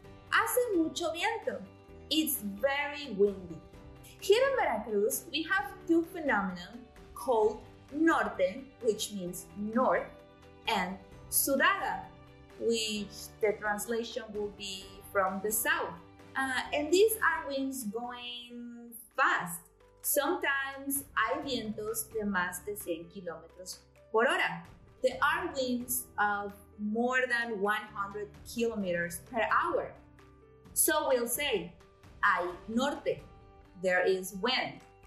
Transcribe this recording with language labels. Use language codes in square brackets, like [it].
[es] Hace mucho viento. [en] It's very windy. Here in Veracruz, we have two phenomena called norte, which means north, and sudada, which the translation will be from the south. And these are winds going fast. Sometimes [es] hay vientos de más de 100 kilómetros por hora. [en] There are winds of more than 100 kilometers per hour. So we'll say, [es] hay norte, [en] there is wind.